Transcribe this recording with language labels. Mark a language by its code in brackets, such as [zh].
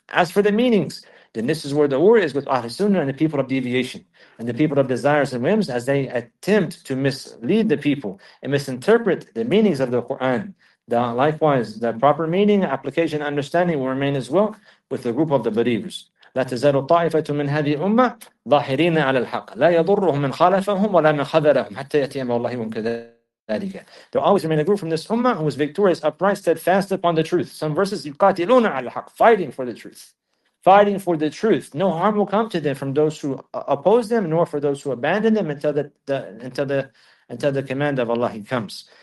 [en] As for the meanings, then this is where the war is with Ahl Sunnah and the people of deviation and the people of desires and whims, as they attempt to mislead the people and misinterpret the meanings of the Quran. Likewise, the proper meaning, application, understanding will remain as well with the group of the believers. [ar] لا تزال طائفة من هذه الأمة ظاهرين على الحق لا يضرهم من خالفهم ولا من خذلهم حتى يأتي أمر الله من كذلك. [en] There will always remain a group from this ummah who is victorious, upright, steadfast upon the truth. Some verses, [ar] يقاتلون على الحق, [en] fighting for the truth. Fighting for the truth. No harm will come to them from those who oppose them, nor for those who abandon them until the command of Allah, he comes.